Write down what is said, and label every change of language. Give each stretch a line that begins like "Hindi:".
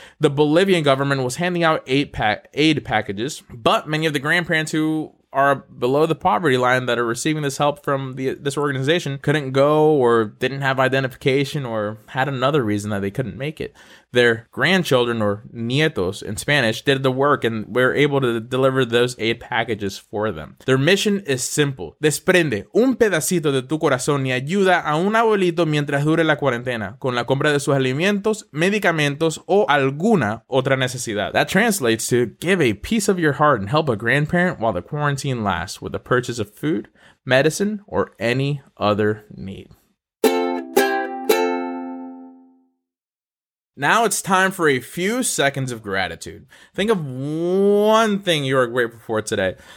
English: The Bolivian government was handing out aid packages, but many of the grandparents who are below the poverty line that are receiving this help from this organization couldn't go or didn't have identification or had another reason that they couldn't make it. Their grandchildren, or nietos in Spanish, did the work and were able to deliver those aid packages for them. Their mission is simple.
Spanish: Desprende un pedacito de tu corazón y ayuda a un abuelito mientras dure la cuarentena con la compra de sus alimentos, medicamentos, o alguna otra necesidad.
English: That translates to give a piece of your heart and help a grandparent while the quarantine lasts with the purchase of food, medicine, or any other need. Now it's time for a few seconds of gratitude. Think of one thing you are grateful for today.